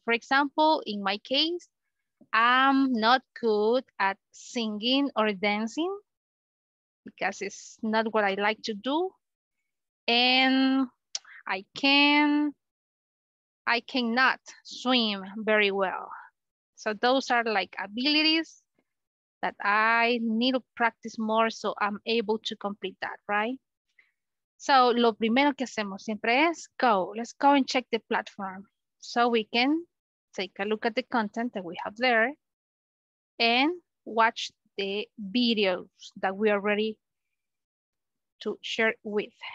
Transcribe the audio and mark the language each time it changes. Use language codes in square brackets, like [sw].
[en] For example, in my case, I'm not good at singing or dancing because it's not what I like to do. And I cannot swim very well. So those are like abilities that I need to practice more so I'm able to complete that, right? [es] So lo primero que hacemos siempre es go. [en] Let's go and check the platform so we can take a look at the content that we have there and watch the videos that we are ready to share with.